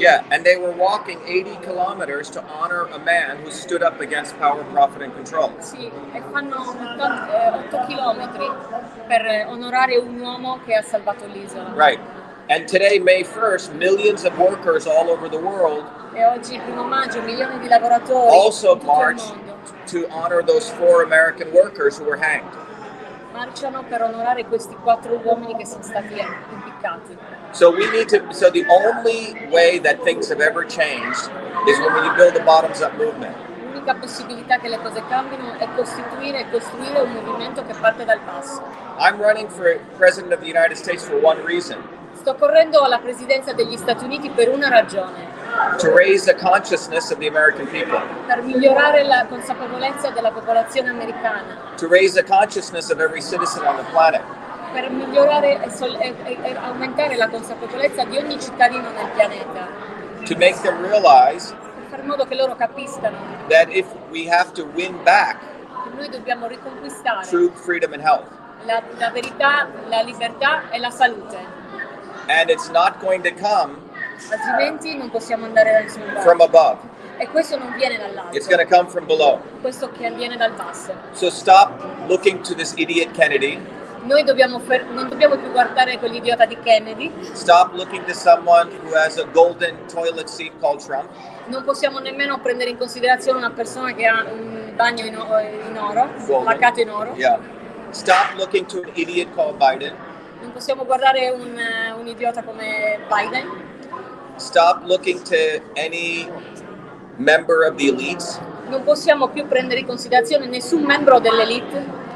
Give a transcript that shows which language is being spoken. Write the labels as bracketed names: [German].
[English] Yeah, and they were walking 80 kilometers to honor a man who stood up against power, profit, and control. [Italian] Sì, e fanno 8 chilometri per onorare un uomo che ha salvato l'isola. [English] Right. And today, May 1st, millions of workers all over the world. [Italian] E oggi, primo maggio, milioni di lavoratori. [English] Also march to honor those four American workers who were hanged. [Italian] Marciano per onorare questi quattro uomini che sono stati impiccati. [English] So we need to. So the only way that things have ever changed is when we build a bottoms-up movement. [Italian] L'unica possibilità che le cose cambino è costruire un movimento che parte dal basso. [English] I'm running for president of the United States for one reason. [Italian] Sto correndo alla presidenza degli Stati Uniti per una ragione. [English] To raise the consciousness of the American people. [Italian] Per migliorare la consapevolezza della popolazione americana. [English] To raise the consciousness of every citizen on the planet. [Italian] Per migliorare e aumentare la consapevolezza di ogni cittadino nel pianeta. [English] To make them realize. [Italian] Per fare in modo che loro capiscano. [English] That if we have to win back. [Italian] Che noi dobbiamo riconquistare. [English] True freedom and health. [Italian] La verità, la libertà e la salute. [English] And it's not going to come. [Italian] Altrimenti non possiamo andare da nessun lato. [English] From above. [Italian] E questo non viene dall'alto. [English] It's going to come from below. [Italian] Questo che viene dal basso. [English] So stop looking to this idiot Kennedy. [Italian] Noi non dobbiamo più guardare quell'idiota di Kennedy. [English] Stop looking to someone who has a golden toilet seat called Trump. [Italian] Non possiamo nemmeno prendere in considerazione una persona che ha un bagno in oro, placato in oro. [English] Yeah. Stop looking to an idiot called Biden. [Italian] Non possiamo guardare un idiota come Biden. [English] Stop looking to any member of the elites. [Italian] Non possiamo più prendere in considerazione nessun membro dell'elite.